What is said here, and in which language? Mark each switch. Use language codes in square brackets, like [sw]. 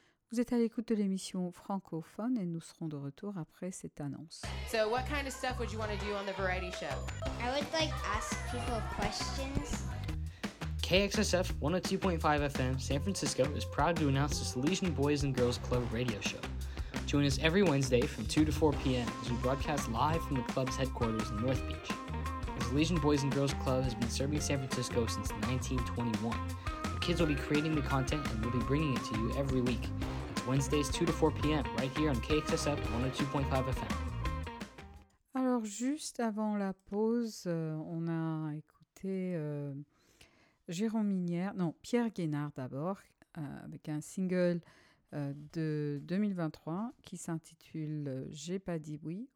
[fr] Vous êtes à l'écoute de l'émission Francofun et nous serons de retour après cette annonce. [en] So what kind of stuff would you want to do on the variety show? I would like ask people questions. KXSF 102.5 FM San Francisco is proud to announce the Salesian Boys and Girls Club radio show. Join us every Wednesday from 2 to 4 p.m. as we broadcast live from the club's headquarters in North Beach. The Salesian Boys and Girls Club has been serving San Francisco since 1921. The kids will be creating the content and we'll be bringing it to you every week. It's Wednesdays 2 to 4 p.m. right here on KXSF 102.5 FM. [fr] Alors, juste avant la pause, on a écouté Jérôme Minière, non, Pierre Guénard d'abord, avec un single de 2023 qui s'intitule « J'ai pas dit oui ».